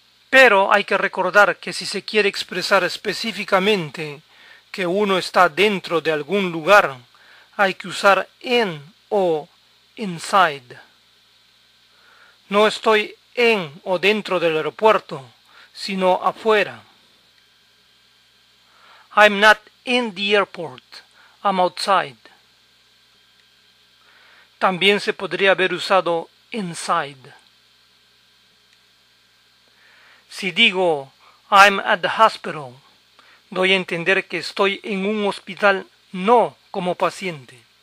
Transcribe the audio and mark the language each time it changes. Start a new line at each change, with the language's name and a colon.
Spanish: Pero hay que recordar que si se quiere expresar específicamente que uno está dentro de algún lugar, hay que usar en o inside. No estoy en o dentro del aeropuerto, sino afuera.
English: I'm not in the airport, I'm outside.
Spanish: También se podría haber usado inside. Si digo,
English: I'm at the hospital,
Spanish: doy a entender que estoy en un hospital, no como paciente.